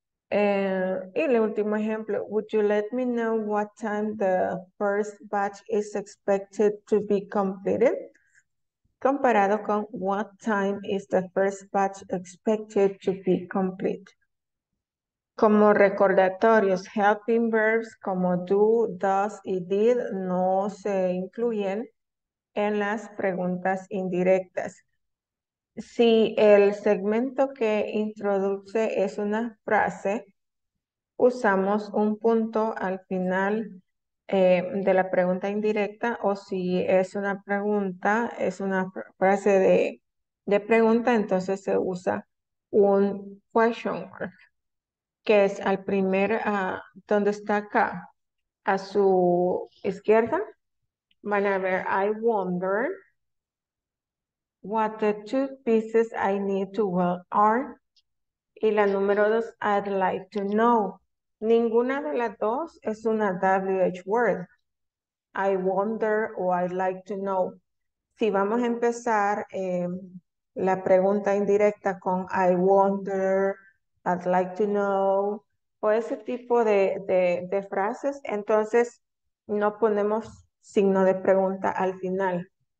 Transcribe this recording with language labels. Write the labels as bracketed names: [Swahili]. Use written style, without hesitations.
[Spanish] Y el último ejemplo, [English] would you let me know what time the first batch is expected to be completed? [Spanish] Comparado con [English] what time is the first batch expected to be complete. [Spanish] Como recordatorios, helping verbs como do, does y did no se incluyen en las preguntas indirectas. Si el segmento que introduce es una frase, usamos un punto al final de la pregunta indirecta, o si es una pregunta, es una frase de pregunta, entonces se usa un question mark, que es al primer, ¿dónde está acá? A su izquierda. Van a ver, [English] I wonder what the two pieces I need to weld are. [Spanish] Y la número dos, [English] I'd like to know. [Spanish] Ninguna de las dos es una WH word. [English] I wonder o I'd like to know. [Spanish] Si vamos a empezar la pregunta indirecta con I wonder, I'd like to know, o ese tipo de frases, entonces no ponemos signo de pregunta al final.